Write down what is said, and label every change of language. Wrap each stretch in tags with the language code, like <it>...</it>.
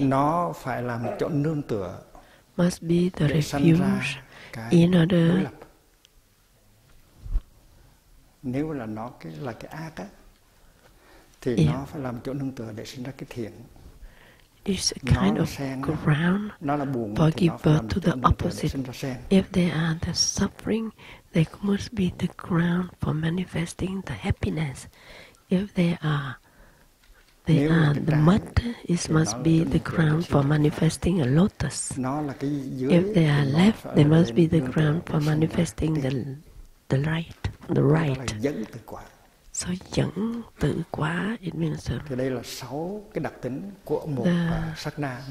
<vi>Nó phải là một chỗ nương tựa.</vi> <en>Must be the refuge. In order.</en> <vi>Nếu là nó cái là cái ác á, thì yeah. Nó phải làm chỗ nương tựa để sinh ra cái thiện.</vi> <en>It's a kind of ground for give birth to the opposite. If they are the suffering, they must be the ground for manifesting the happiness. If they are the mud, it must be the ground for manifesting a lotus. If they are left, they must be the ground for manifesting the light. The right. So</en> <vi>dẫn tự quá,</vi> <en>it means that.</en> <vi>Thì đây là sáu cái đặc tính của một sát na.</vi>